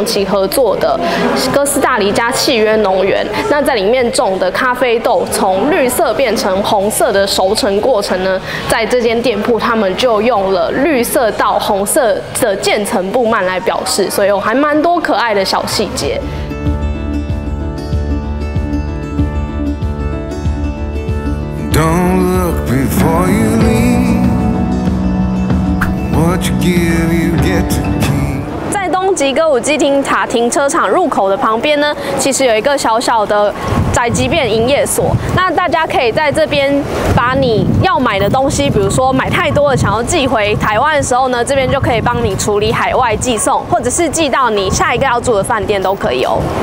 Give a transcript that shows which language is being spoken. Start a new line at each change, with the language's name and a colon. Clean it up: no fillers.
Chinese: 长期合作的哥斯大黎加契约农园，那在里面种的咖啡豆从绿色变成红色的熟成过程呢，在这间店铺他们就用了绿色到红色的渐层布幔来表示，所以有还蛮多可爱的小细节。
English: Don't look before you leave. What you give, you get to keep.
Chinese: 在东急歌舞伎町塔停车场入口的旁边呢，其实有一个小小的宅急便营业所，那大家可以在这边把你要买的东西，比如说买太多的想要寄回台湾的时候呢，这边就可以帮你处理海外寄送，或者是寄到你下一个要住的饭店都可以哦。